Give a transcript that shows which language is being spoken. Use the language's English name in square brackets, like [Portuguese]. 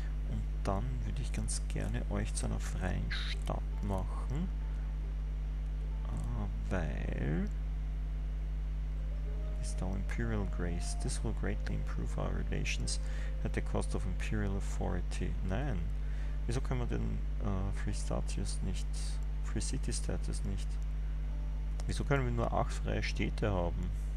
[German] Und dann würde ich ganz gerne euch zu einer freien Stadt machen, weil [English] is now Imperial Grace. This will greatly improve our relations at the cost of Imperial authority. [German] Nein. Wieso können wir den Free Status nicht, Free City Status nicht? Wieso können wir nur 8 freie Städte haben?